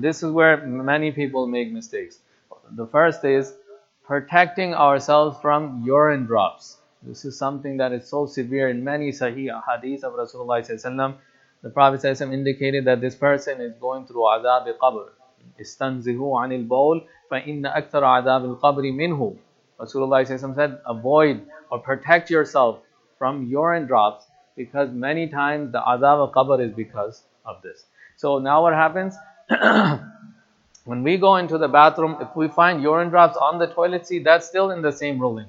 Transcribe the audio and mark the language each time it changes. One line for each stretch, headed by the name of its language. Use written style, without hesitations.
English: This is where many people make mistakes. The first is protecting ourselves from urine drops. This is something that is so severe in many sahih hadith of Rasulullah ﷺ. The Prophet ﷺ indicated that this person is going through azab al-qabr.
Arabic: استنزهوا عن البول فإن أكثر عذاب القبر منه.
English: Rasulullah ﷺ said, avoid or protect yourself from urine drops, because many times the azab al-qabr is because of this. So now what happens? When we go into the bathroom, if we find urine drops on the toilet seat, that's still in the same ruling.